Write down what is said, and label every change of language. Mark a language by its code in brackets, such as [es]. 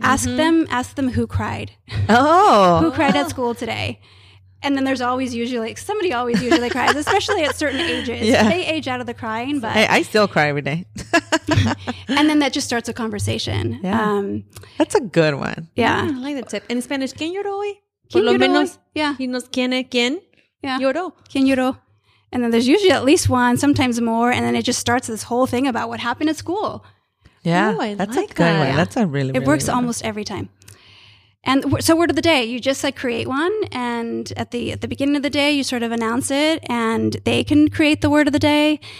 [en] Ask them who cried. Oh. Who cried at school today? And then there's always usually, somebody always usually cries, especially at certain ages. Yeah. They age out of the crying, but... Hey, I still cry every day. And then that just starts a conversation. Yeah. That's a good one. Yeah. I like the tip. In Spanish, [es] ¿quién lloró hoy? ¿Quién lloró? Por lo menos, dinos quién es quién lloró. ¿Quién lloró? [en] And then there's usually at least one, sometimes more, and then it just starts this whole thing about what happened at school. Yeah. Ooh, that's a good one. Yeah. That's a really, It works almost every time. And so word of the day, you just like create one, and at the beginning of the day, you sort of announce it, and they can create the word of the day.